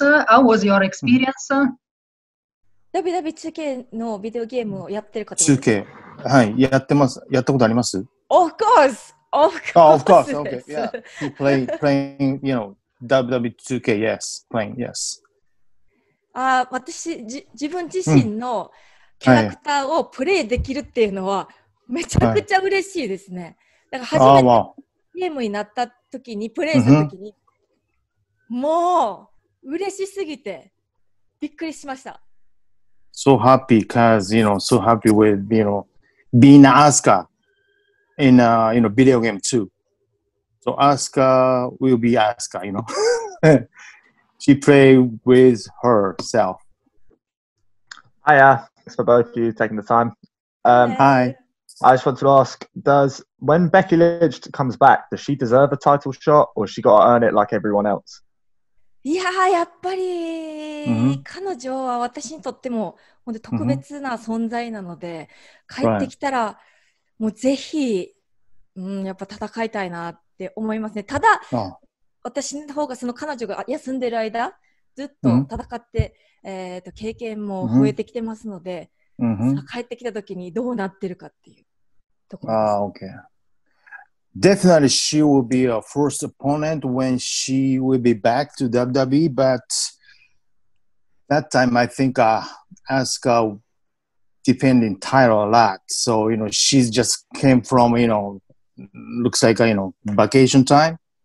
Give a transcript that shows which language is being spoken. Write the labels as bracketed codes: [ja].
[en] How was your experience? [ja] WW2K のビデオゲームをやってる方ですか?2K、はい、やってます。やったことあります? [en] Of course! Of course! Oh, of course, okay, yeah. You play, playing, you know, WW2K, yes. Playing, yes. [ja] 私、自分自身のキャラクターをプレイできるっていうのは、めちゃくちゃ嬉しいですね。だから初めてゲームになった時に、プレイした時に、もう嬉しすぎてびっくりしました。 [en] So happy because, you know, so happy with, you know, being Asuka in, you know, video game too. So Asuka will be Asuka, you know. She play with herself. Hi, thanks for both of you taking the time. Hi. I just want to ask, when Becky Lynch comes back, does she deserve a title shot or she got to earn it like everyone else? [ja] Yeah, やっぱり彼女は私にとっても本当特別な存在なので、帰ってきたらもうぜひ、やっぱ戦いたいなって思いますね。ただ、私の方がその彼女が休んでる間、ずっと戦って、経験も増えてきてますので、帰ってきた時にどうなってるかっていうところです。 [en] Okay. Definitely she will be a first opponent when she will be back to WWE, but that time I think Asuka defending title a lot. So, you know, she's just came from, you know, looks like, you know, vacation time.